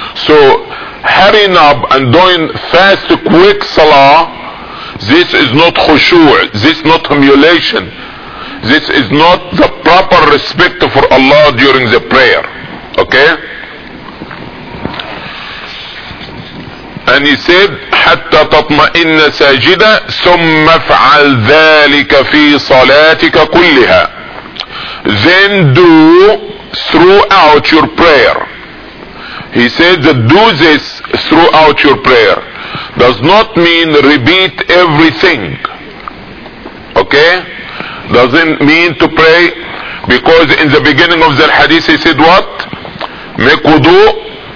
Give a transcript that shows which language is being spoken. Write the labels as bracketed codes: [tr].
[en] So hurrying up and doing fast quick salah, this is not khushu', this not humiliation, this is not the proper respect for Allah during the prayer, okay. [ar] And he said حَتَّى تَطْمَئِنَّ سَاجِدًا ثُمَّ فَعَلْ ذَلِكَ فِي صَلَاتِكَ كُلِّهَا, [en] then do throughout your prayer. He said that do this throughout your prayer does not mean repeat everything, okay. Doesn't mean to pray, because in the beginning of the hadith he said what? Make wudu.